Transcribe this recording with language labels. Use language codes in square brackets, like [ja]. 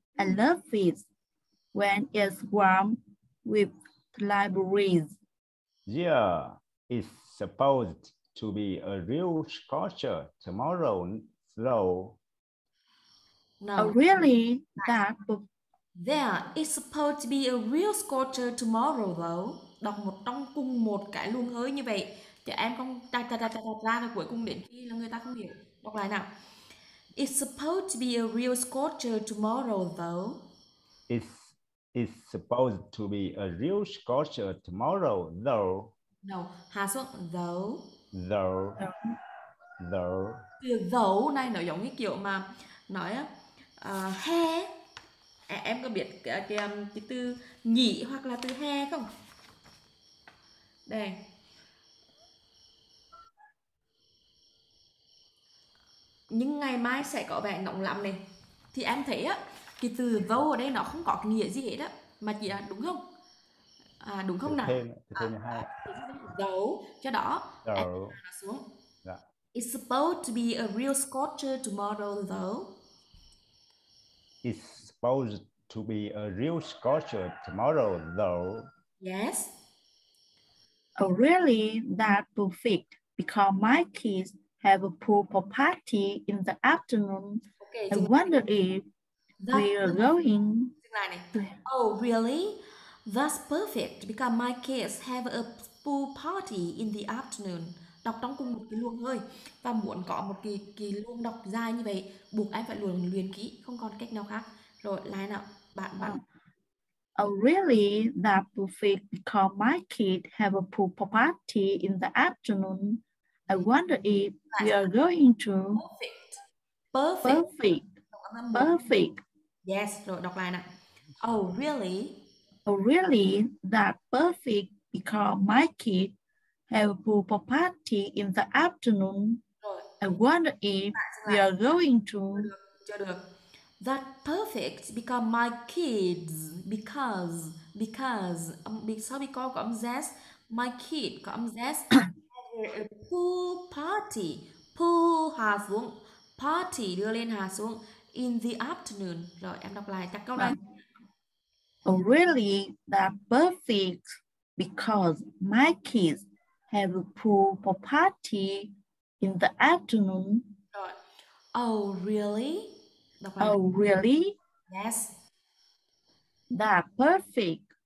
[en] I love it when it's warm with libraries. Yeah, it's supposed to be a real scorcher tomorrow, though. No. Oh, really? That. There is supposed to be a real scorcher tomorrow, though. [vi] Đọc một trong cùng một cái luồng hơi như vậy. Chứ em không ra và cuối cùng đến khi là người ta không hiểu. Đọc lại nào. [en] It's supposed to be a real scorcher tomorrow, though. It's supposed to be a real scorcher tomorrow, though. [vi] No, hạ xuống. Though. [en] Though. Though. [vi] Từ though này nó giống như kiểu mà nói he. Em có biết cái từ nhỉ hoặc là từ he không? Đây. Nhưng ngày mai sẽ có vẻ nóng lắm này. Thì em thấy á, cái từ vâu ở đây nó không có nghĩa gì hết á. Mà chị đúng không? À, đúng không nào? Thêm dấu cho đó. Đó. Xuống. Yeah. [en] It's supposed to be a real scorcher tomorrow though. It's supposed to be a real scorcher tomorrow though. Yes. Oh, really? That perfect because my kids have a pool party in the afternoon. Okay, I wonder if we are going. Oh, really? That's perfect because my kids have a pool party in the afternoon. [vi] Đọc trong cùng một cái luồng hơi và muốn có một cái luồng đọc dài như vậy, buộc em phải luyện kỹ, không còn cách nào khác. Rồi, lại nào, bạn. [en] Oh, really? That perfect because my kids have a pool party in the afternoon. I wonder if we are going to. Perfect. Perfect. [vi] Yes, rồi đọc lại nào. [en] Oh, really? Oh, really? That perfect because my kids have a pool party in the afternoon. [vi] Rồi. [en] I wonder if we are going to. [vi] Chưa được. [en] That perfect become my kids because [vi] sao bị co có âm z, [en] my kid [vi] có âm z, have [en] a pool party. [vi] Pool hạ xuống, party đưa lên hạ xuống. [en] In the afternoon. [vi] Rồi em đọc lại các câu này. [en] Oh, really? That's perfect. Because my kids have a pool for party in the afternoon. Rồi. Oh, really? Oh, really? Yes. That's perfect.